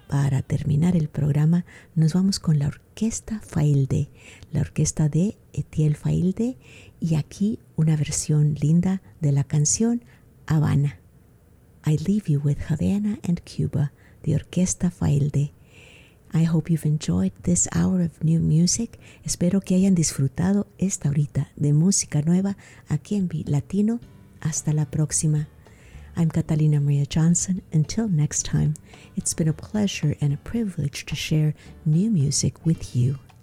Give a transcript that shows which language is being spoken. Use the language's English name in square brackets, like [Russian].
[Spanish] Para terminar el programa, nos vamos con la Orquesta Failde, la orquesta de Etiel Failde, y aquí una versión linda de la canción Habana. [English] I leave you with Havana and Cuba, the Orquesta Failde. I hope you've enjoyed this hour of new music. [Spanish] Espero que hayan disfrutado esta horita de música nueva aquí en Beat Latino. Hasta la próxima. [English] I'm Catalina Maria Johnson. Until next time, it's been a pleasure and a privilege to share new music with you.